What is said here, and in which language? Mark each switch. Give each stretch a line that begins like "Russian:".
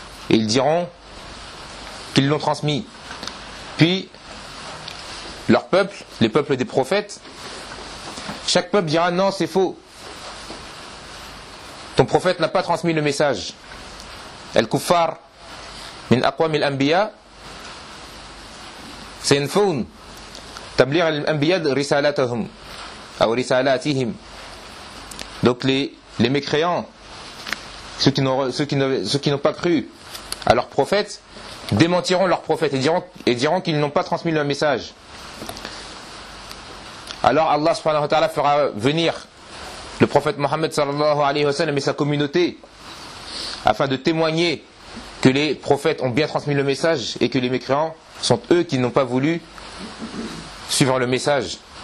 French: Et ils diront qu'ils l'ont transmis. Puis, leur peuple, les peuples des prophètes, chaque peuple dira non, c'est faux. Ton prophète n'a pas transmis le message. El-Kuffar
Arabic: من أقوام الأنبياء سينفون تبليغ الأنبياء رسالتهم أو رسالاتهم.
French: Donc les mécréants, ceux qui n'ont pas cru à leurs prophètes, démentiront leurs prophètes et diront qu'ils n'ont pas transmis le message. Alors Allah subhanahu wa ta'ala fera venir le prophète Mohammed sallallahu alayhi wa sallam et sa communauté afin de témoigner que les prophètes ont bien transmis le message et que les mécréants sont eux qui n'ont pas voulu suivre le message.